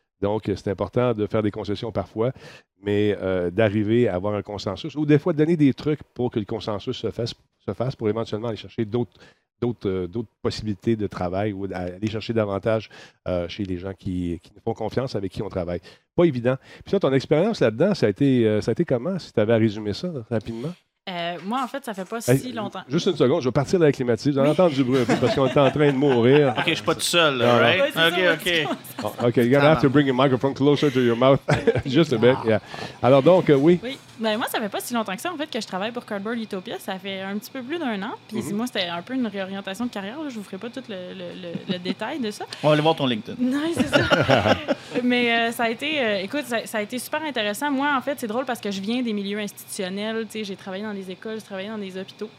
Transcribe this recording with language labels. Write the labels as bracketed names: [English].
[French] Donc, c'est important de faire des concessions parfois, mais d'arriver à avoir un consensus ou des fois de donner des trucs pour que le consensus se fasse pour éventuellement aller chercher d'autres possibilités de travail ou d'aller chercher davantage chez les gens qui nous font confiance, avec qui on travaille. Pas évident. Puis ça, ton expérience là-dedans, ça a été comment, si tu avais à résumer ça rapidement? Moi, en fait, ça fait pas si longtemps. Juste une seconde, je vais partir de la climatise. On entend du bruit un peu parce qu'on est en train de mourir. OK, je suis pas tout seul, là, right? [English] OK, you're going to have to bring your microphone closer to your mouth. Just a bit, yeah. [French] Alors donc, oui. Oui. Ben moi, ça fait pas si longtemps que ça, en fait, que je travaille pour Cardboard Utopia. Ça fait un petit peu plus d'un an. Puis mm-hmm. moi, c'était un peu une réorientation de carrière. Là. Je vous ferai pas tout le détail de ça. On va aller voir ton LinkedIn. Non, c'est ça. Mais ça a été super intéressant. Moi, en fait, c'est drôle parce que je viens des milieux institutionnels. Tu sais, j'ai travaillé dans des écoles, j'ai travaillé dans des hôpitaux.